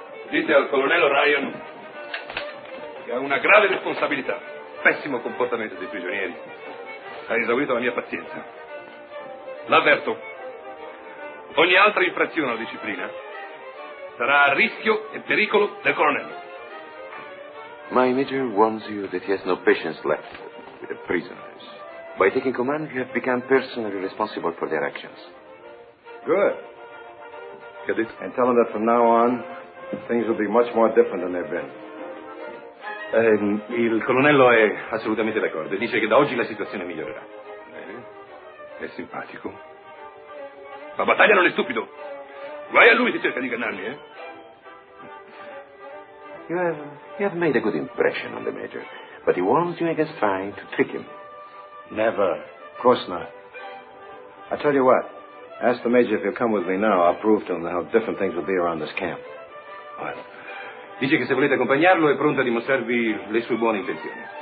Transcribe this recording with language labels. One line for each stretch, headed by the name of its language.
Italian: Dite al colonnello Ryan che ha una grave responsabilità. Pessimo comportamento dei prigionieri. Ha esaurito la mia pazienza. L'avverto. Ogni altra infrazione alla disciplina sarà a rischio e pericolo del colonnello.
English: My major warns you that he has no patience left with the prisoners. By taking command, you have become personally responsible for their actions. Good. Cadet. And tell him that from now on, things will be much more different than they've been.
Italian: Il colonnello è assolutamente d'accordo e dice che da oggi la situazione migliorerà. Bene. È simpatico. Ma Battaglia non è stupido. Guai a lui se cerca di ingannarmi, eh?
English: You have made a good impression on the Major, but he warns you against trying to trick him. Never. Of course not. I tell you what. Ask the Major if he'll come with me now. I'll prove to him how different things will be around this camp.
Italian: Well, dice che se volete accompagnarlo è pronto a dimostrarvi le sue buone intenzioni.